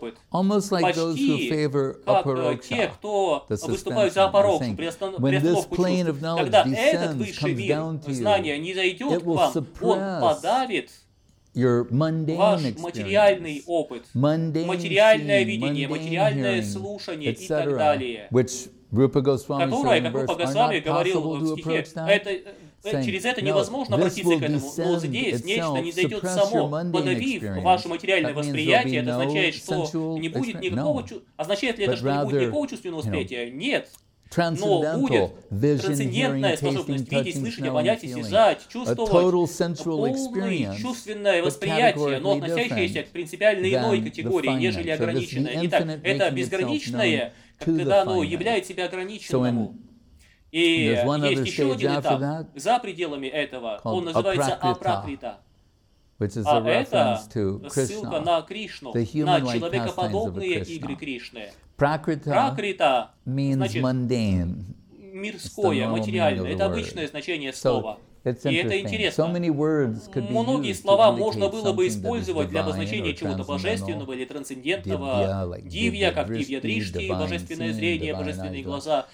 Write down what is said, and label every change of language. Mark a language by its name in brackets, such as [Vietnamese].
[English] Almost like those who favor апарокша, the suspension, when this plane of knowledge descends, comes down to you, it will suppress your mundane experience, [Russian] материальное видение, материальное слушание и так далее, [English] which Rupa Goswami said in verse, are not possible to approach that? [Russian] Через это невозможно обратиться к этому, но здесь нечто не зайдет само, подавив ваше материальное восприятие, это означает, что не будет никакого чувства, означает ли это, что не будет никакого чувственного восприятия? Нет. [English] Transcendental vision, hearing, tasting, touching, smelling, feeling. A total sensual experience, but categorically different than the finite. So this is the infinite makes itself known to the finite. So in, there's one other stage after that, called apракрита, which is a reference to Krishna, the human-like pastimes of Krishna. [Sanskrit] Пракрита [English] means mundane. [Russian] Мирское, материальное. Это обычное значение слова. И это интересно. Многие слова можно было бы использовать для обозначения чего-то божественного или трансцендентного. Дивья, как дивья дришти, божественное зрение, божественные глаза.